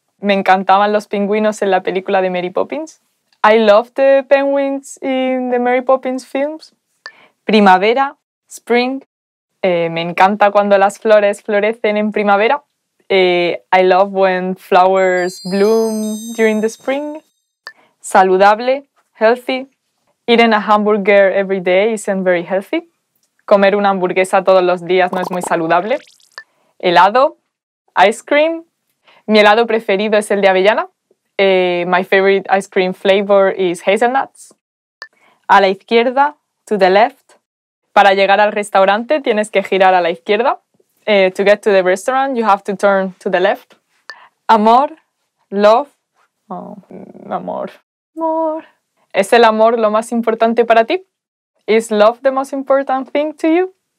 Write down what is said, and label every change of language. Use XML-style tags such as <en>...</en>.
<es>Me encantaban los pingüinos en la película de Mary Poppins.</es> <en>I love the penguins in the Mary Poppins films.</en> <es>Primavera. Spring. Me encanta cuando las flores florecen en primavera.</es> <en>I love when flowers bloom during the spring. Saludable, healthy. eating a hamburger every day isn't very healthy.</en> <es>Comer una hamburguesa todos los días no es muy saludable. Helado, ice cream. Mi helado preferido es el de avellana.</es> <en>My favorite ice cream flavor is hazelnuts.</en> <es>A la izquierda,</es> <en>to the left.</en> <es>Para llegar al restaurante tienes que girar a la izquierda.</es> <en>To get to the restaurant, you have to turn to the left.</en> <es>Amor, love. Oh, amor. Amor. ¿Es el amor lo más importante para ti?</es> <en>Is love the most important thing to you?</en>